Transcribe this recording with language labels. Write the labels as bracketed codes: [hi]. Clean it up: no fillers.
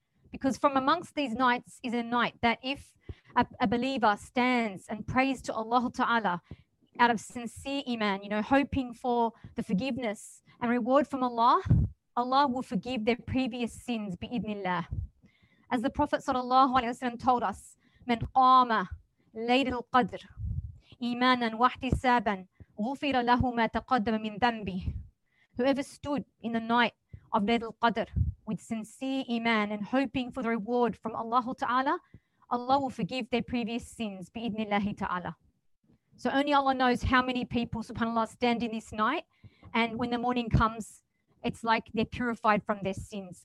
[en] Because from amongst these nights is a night that if a believer stands and prays to Allah Ta'ala out of sincere iman, you know, hoping for the forgiveness and reward from Allah, Allah will forgive their previous sins, bi'idhnillah. As the Prophet Sallallahu Alaihi Wasallam told us, [ar] من قام ليلة القدر إيمانا واحتسابا غفر له ما تقدم من ذنبه. [en] Whoever stood in the night of Laylatul Qadr with sincere iman and hoping for the reward from Allah Ta'ala, Allah will forgive their previous sins, bi'idhnillahi ta'ala. So only Allah knows how many people, subhanAllah, stand in this night, and when the morning comes, it's like they're purified from their sins.